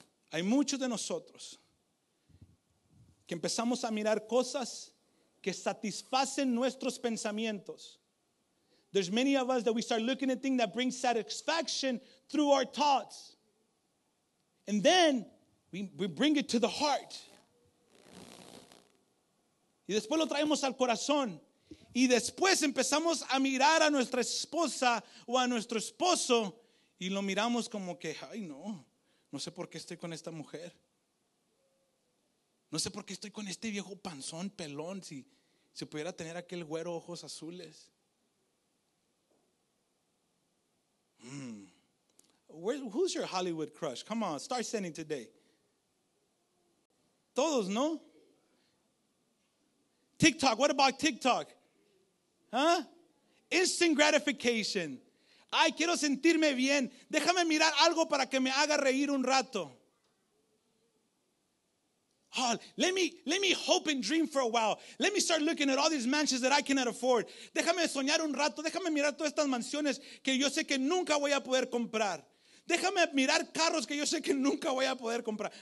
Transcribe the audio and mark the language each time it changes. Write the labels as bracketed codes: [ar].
[es] Hay muchos de nosotros que empezamos a mirar cosas que satisfacen nuestros pensamientos. [en] There's many of us that we start looking at things that bring satisfaction through our thoughts. And then we bring it to the heart. [es] Y después lo traemos al corazón. Y después empezamos a mirar a nuestra esposa o a nuestro esposo y lo miramos como que, ay no sé por qué estoy con esta mujer. No sé por qué estoy con este viejo panzón, pelón, si pudiera tener aquel güero ojos azules. [en] Who's your Hollywood crush? Come on, start sending today. [es] Todos, ¿no? [en] TikTok, what about TikTok? Huh? Instant gratification. [es] Ay, quiero sentirme bien. Déjame mirar algo para que me haga reír un rato. [en] Oh, let me hope and dream for a while. Let me start looking at all these mansions that I cannot afford. [es] Déjame soñar un rato. Déjame mirar todas estas mansiones que yo sé que nunca voy a poder comprar. Déjame mirar carros que yo sé que nunca voy a poder comprar.